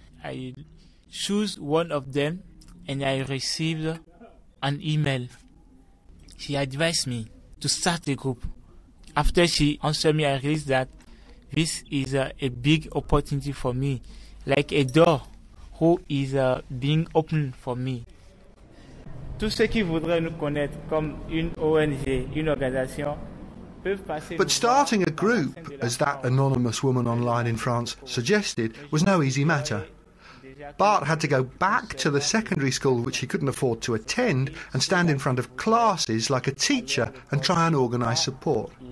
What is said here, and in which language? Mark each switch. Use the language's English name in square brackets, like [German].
[English] I choose one of them and I received an email. She advised me to start the group. After she answered me, I realized that this is a big opportunity for me, like a door who is being opened for me. [French] Tous ceux qui voudraient nous connaître comme une ONG, une organisation, peuvent passer. [English] But starting a group, as that anonymous woman online in France suggested, was no easy matter. Bart had to go back to the secondary school, which he couldn't afford to attend, and stand in front of classes like a teacher and try and organise support.